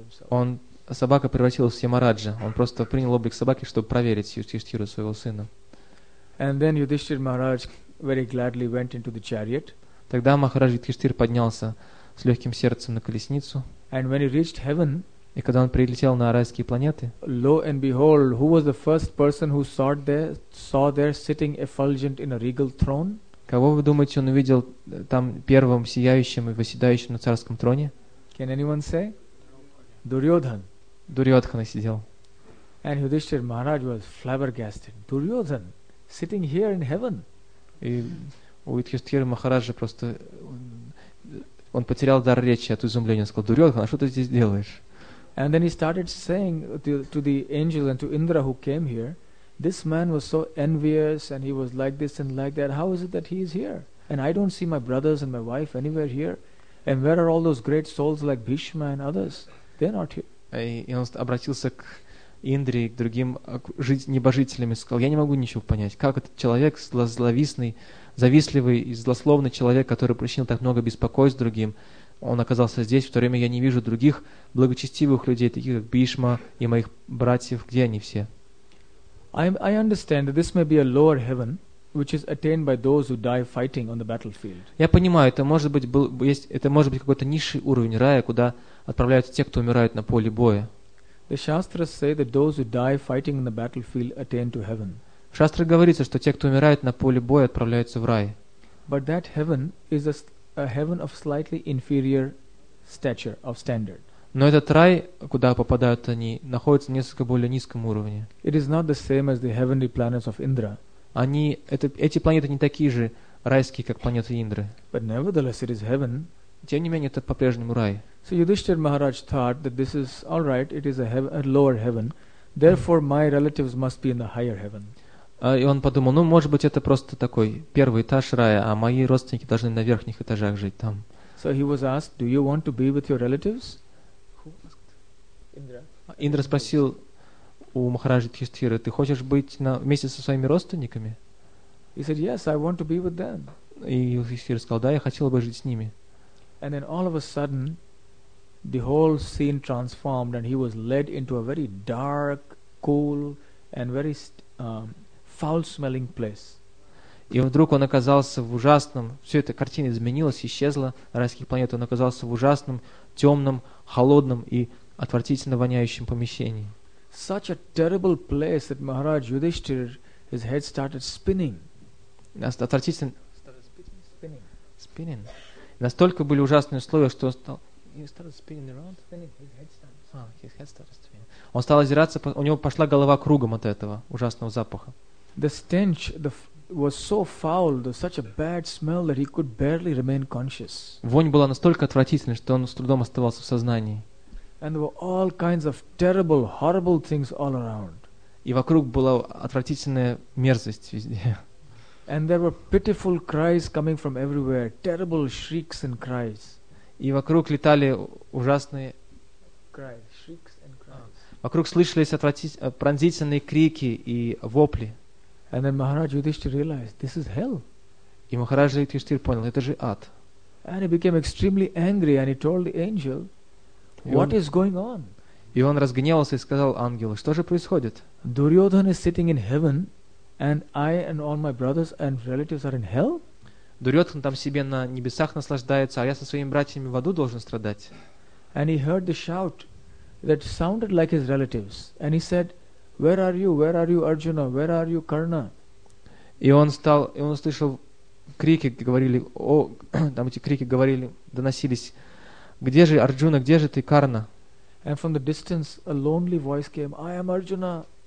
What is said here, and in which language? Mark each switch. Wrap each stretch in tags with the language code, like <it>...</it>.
<ru>Он, собака превратилась в Ямараджа. Он просто принял облик собаки, чтобы проверить Юдхиштхиру, своего сына.</ru> <en>And then Yudhishthira Maharaj very gladly went into the chariot.</en> <ru>Тогда Махарадж Юдхиштхир поднялся с легким сердцем на колесницу.</ru> <en>And when he reached heaven,</en> <ru>и когда он прилетел на райские планеты,</ru> <en>lo and behold, who was the first person who saw there sitting effulgent in a regal throne?</en> <ru>Кого вы думаете, он увидел там первым сияющим и восседающим на царском троне?</ru> <en>Can anyone say? Дурьодхан.</en> <ru>Дурьодхан сидел.</ru> <en>And Yudhishthira Maharaj was flabbergasted. Дурьодхан sitting here in heaven.</en> <ru>И у Юдхиштхира Махараджа просто он потерял дар речи от изумления. Он сказал: Дурьодхан, а что ты здесь делаешь?</ru> <en>And then he started saying to the angel and to Indra who came here, this man was so envious and he was like this and like that. How is it that he is here? And I don't see my brothers and my wife anywhere here. And where are all those great souls like Bhishma and others? They're not here.</en> <ru>И он обратился к Индре и к другим небожителям и сказал: я не могу ничего понять. Как этот человек, зловистный, завистливый и злословный человек, который причинил так много беспокойств другим, он оказался здесь, в то время я не вижу других благочестивых людей, таких как Бишма и моих братьев, где они все?</ru> <en>I understand that this may be a lower heaven, which is attained by those who die fighting on the battlefield.</en> <ru>Я понимаю, это может быть какой-то низший уровень рая, куда отправляются те, кто умирают на поле боя.</ru> <en>The Shastras say that those who die fighting on the battlefield attain to heaven.</en> <ru>В Шастрах говорится, что те, кто умирают на поле боя, отправляются в рай.</ru> <en>But that heaven is a heaven of slightly inferior stature, of standard.</en> <ru>Но этот рай, куда попадают они, находится на несколько более низком уровне.</ru> <en>It is not the same as the heavenly planets of Indra.</en> <ru>Эти планеты не такие же райские, как планеты Индры.</ru> <en>But nevertheless, it is heaven.</en> <ru>Тем не менее, это по-прежнему рай.</ru> <en>So Yudhishthira Maharaj thought that this is all right, it is a lower heaven, therefore my relatives must be in the higher heaven.</en> <ru>И он подумал, ну, может быть, это просто такой первый этаж рая, а мои родственники должны на верхних этажах жить там.</ru> <en>So he was asked, do you want to be with your relatives?</en> <ru>Индра спросил у Махараджи Юдхиштхира, ты хочешь быть вместе со своими родственниками?</ru> <en>He said, yes, I want to be with them.</en> <ru>И Юдхиштхир сказал, да, я хотел бы жить с ними.</ru> <en>And then all of a sudden, the whole scene transformed and he was led into a very dark, cool and very foul-smelling place.</en> <ru>И вдруг он оказался в ужасном, все эта картина изменилась, исчезла райских планет, он оказался в ужасном, темном, холодном и отвратительно воняющем помещении.</ru> <en>Such a terrible place that Maharaj Yudhishthir, his head started spinning. Spinning.</en> <ru>Настолько были ужасные условия, что он стал озираться, у него пошла голова кругом от этого ужасного запаха.</ru> <en>The stench was so foul, such a bad smell that he could barely remain conscious.</en> <ru>Вонь была настолько отвратительной, что он с трудом оставался в сознании.</ru> <en>And there were all kinds of terrible, horrible things all around.</en> <ru>И вокруг была отвратительная мерзость везде.</ru> <en>And there were pitiful cries coming from everywhere, terrible shrieks and cries.</en> <ru>И вокруг летали ужасные</ru> <en>cries.</en> <ru>Вокруг слышались пронзительные крики и вопли.</ru> <en>And then Maharaj Yudhishthira realized, this is hell.</en> <ru>И Махарадж Юдхиштхир понял, это же ад.</ru> <en>And he became extremely angry and he told the angel, what is going on?</en> <ru>И он разгневался и сказал ангелу, что же происходит?</ru> <en>Duryodhan is sitting in heaven and I and all my brothers and relatives are in hell?</en> <ru>Дурьодхан там себе на небесах наслаждается, а я со своими братьями в аду должен страдать.</ru> <en>And he heard the shout that sounded like his relatives. And he said, where are you? Where are you, Arjuna? Where are you, Karna?</en> <ru>И он услышал крики, говорили, о, там эти крики говорили, доносились, где же Арджуна, где же ты, Карна?</ru> <en>And from the distance, a lonely voice came, I am Arjuna.</en>